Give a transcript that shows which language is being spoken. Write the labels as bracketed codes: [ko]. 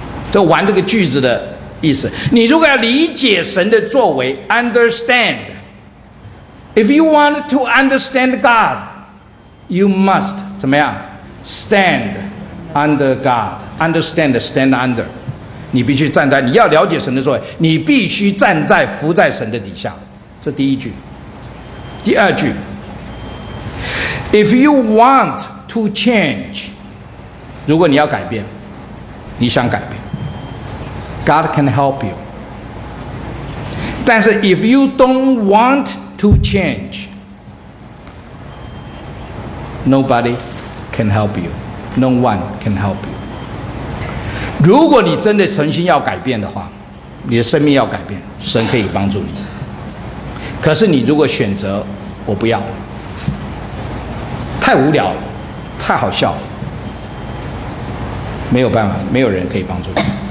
[zh] 这玩这个句子的意思，你如果要理解神的作为， understand， [en] If you want to understand God, you must [zh] 怎么样 [en] stand under God。 Understand, stand under， [zh] 你必须站在，你要了解神的作为，你必须站在伏在神的底下。这第一句。第二句， [en] If you want to change， [zh] 如果你要改变，你想改变， [en] God can help you。 [zh] 但是 [en] If you don't want to change， Nobody can help you， No one can help you。 [zh] 如果你真的诚心要改变的话，你的生命要改变，神可以帮助你。可是你如果选择我不要，太无聊太好笑，没有办法，没有人可以帮助你。